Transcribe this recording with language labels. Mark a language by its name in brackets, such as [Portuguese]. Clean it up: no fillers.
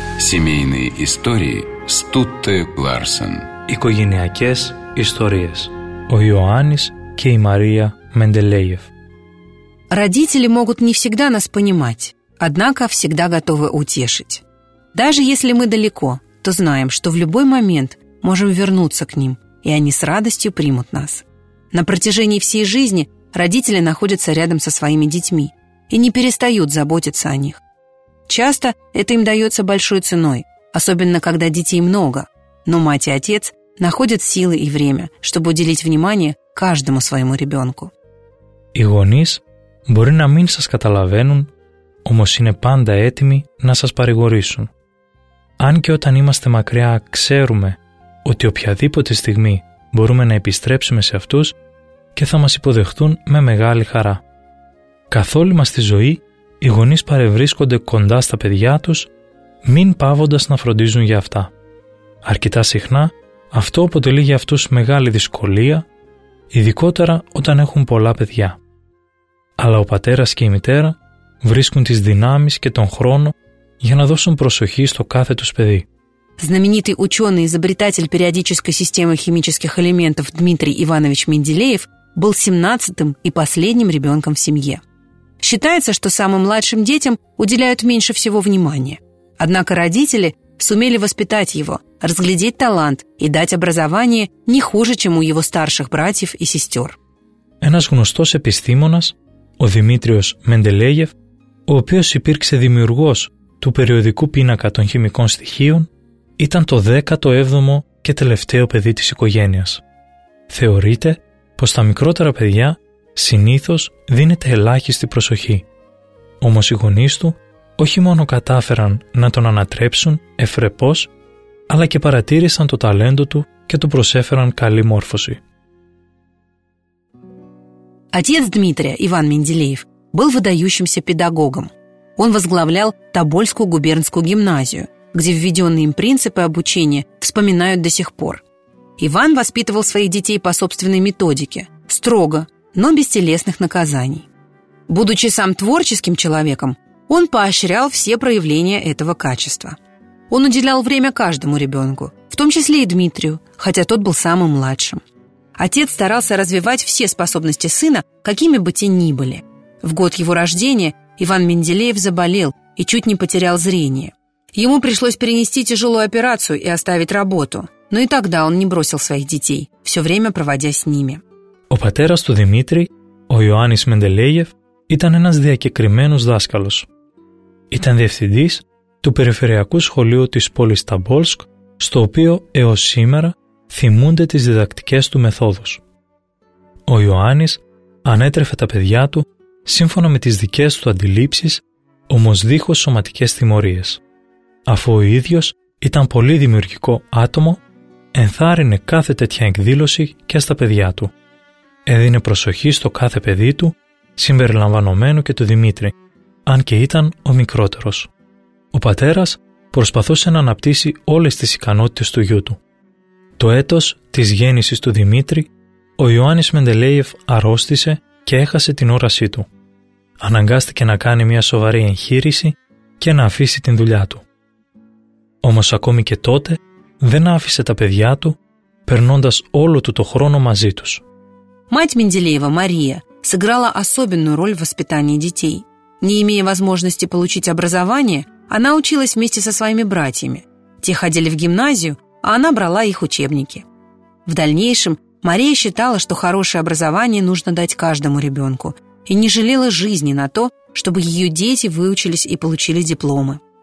[Russian] Семейные истории Стутте Ларсен. [Greek] Οικογενειακές ιστορίες. Ο Ιωάννης και η Μαρία Μεντελέιεφ. [Russian] Родители могут не всегда нас понимать, однако всегда готовы утешить. Даже если мы далеко, то знаем, что в любой момент можем вернуться к ним, и они с радостью примут нас. На протяжении всей жизни родители находятся рядом со своими детьми и не перестают заботиться о них. Часто это им дается большой ценой, особенно когда детей много, но мать и отец находят силы и время, чтобы уделить внимание каждому своему ребенку. [Greek] Οι γονείς μπορεί να μην σας καταλαβαίνουν, όμως είναι πάντα έτοιμοι να σας παρηγορήσουν. Αν και όταν είμαστε μακριά ξέρουμε ότι οποιαδήποτε στιγμή μπορούμε να επιστρέψουμε σε αυτούς και θα μας υποδεχτούν με μεγάλη χαρά. Καθ' όλη μας τη ζωή, οι γονείς παρευρίσκονται κοντά στα παιδιά τους, μην πάβοντας να φροντίζουν για αυτά. Αρκετά συχνά, αυτό αποτελεί για αυτούς μεγάλη δυσκολία, ειδικότερα όταν έχουν πολλά παιδιά. Αλλά ο πατέρας και η μητέρα βρίσκουν τις δυνάμεις και τον χρόνο για να δώσουν προσοχή στο κάθε τους παιδί. [Russian] Знаменитый ученый-изобретатель периодической системы химических элементов Дмитрий Иванович Менделеев был 17-м и последним ребенком в семье. Считается, что самым младшим детям уделяют меньше всего внимания. Однако родители сумели воспитать его, разглядеть талант и дать образование не хуже, чем у его старших братьев и сестер. [Greek] Ένας γνωστός επιστήμονας, ο Δημήτριος Менделеев, ο οποίος υπήρξε δημιουργός του περιοδικού πίνακα των χημικών στοιχείων, ήταν το 17ο και τελευταίο παιδί της οικογένειας. Θεωρείται πως τα μικρότερα παιδιά συνήθως δίνεται ελάχιστη προσοχή. Όμως οι γονείς του όχι μόνο κατάφεραν να τον ανατρέψουν ευφρεπώς, αλλά και παρατήρησαν το ταλέντο του και του προσέφεραν καλή μόρφωση. [Russian] Отец Дмитрия, Иван Менделеев, был выдающимся педагогом. Он возглавлял Тобольскую губернскую гимназию, где введенные им принципы обучения вспоминают до сих пор. Иван воспитывал своих детей по собственной методике, строго, но без телесных наказаний. Будучи сам творческим человеком, он поощрял все проявления этого качества. Он уделял время каждому ребенку, в том числе и Дмитрию, хотя тот был самым младшим. Отец старался развивать все способности сына, какими бы те ни были. В год его рождения Иван Менделеев заболел и чуть не потерял зрение. Ему пришлось перенести тяжелую операцию и оставить работу. Но и тогда он не бросил своих детей, все время проводя с ними. [Greek] Ο πατέρας του Δημήτρη, ο Ιωάννης Μεντελέγεφ, ήταν ένας διακεκριμένος δάσκαλος. Ήταν διευθυντής του περιφερειακού σχολείου της πόλης Ταμπόλσκ, στο οποίο έως σήμερα θυμούνται τις διδακτικές του μεθόδους. Ο Ιωάννης ανέτρεφε τα παιδιά του σύμφωνα με τις δικές του αντιλήψεις, όμως δίχως σωματικές τιμωρίες. Αφού ο ίδιος ήταν πολύ δημιουργικό άτομο, ενθάρρυνε κάθε τέτοια εκδήλωση και στα παιδιά του. Έδινε προσοχή στο κάθε παιδί του, συμπεριλαμβανομένου και του Δημήτρη, αν και ήταν ο μικρότερος. Ο πατέρας προσπαθούσε να αναπτύσσει όλες τις ικανότητες του γιού του. Το έτος της γέννησης του Δημήτρη, ο Ιωάννης Μεντελέιεφ αρρώστησε και έχασε την όρασή του. Αναγκάστηκε να κάνει μια σοβαρή εγχείρηση και να αφήσει την δουλειά του. Όμως ακόμη και τότε δεν άφησε τα παιδιά του, περνώντας όλο του το χρόνο μαζί τους. [Russian] Мать Менделеева, Мария, сыграла особенную роль в воспитании детей. Не имея возможности получить образование, она училась вместе со своими братьями. Те ходили в гимназию, а она брала их учебники. В дальнейшем Мария считала, что хорошее образование нужно дать каждому ребенку и не жалела жизни на то, чтобы ее дети выучились и получили дипломы.